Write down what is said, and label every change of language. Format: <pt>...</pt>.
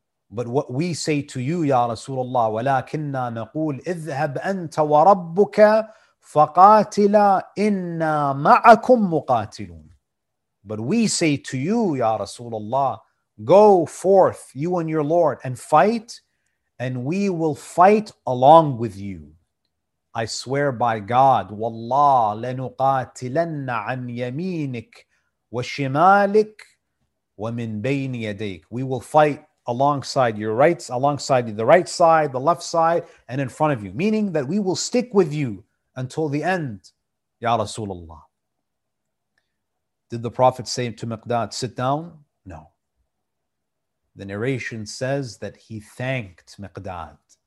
<en>But what we say to you, Ya Rasulullah,</en> <ar>وَلَكِنَّا نَقُولُ اِذْهَبْ أَنْتَ وَرَبُّكَ فَقَاتِلَا إِنَّا مَعَكُمْ مُقَاتِلُونَ.</ar> <en>But we say to you, Ya Rasulullah, go forth, you and your Lord, and fight, and we will fight along with you. I swear by God,</en> <ar>وَاللَّهُ لَنُقَاتِلَنَّ عَنْ يَمِينِكَ وَشِمَالِكَ وَمِنْ بَيْنِ يَدَيْكَ.</ar> <en>We will fight alongside the right side, the left side, and in front of you. Meaning that we will stick with you until the end, Ya Rasulullah. Did the Prophet say to Miqdad, sit down? No. The narration says that he thanked Miqdad.</en>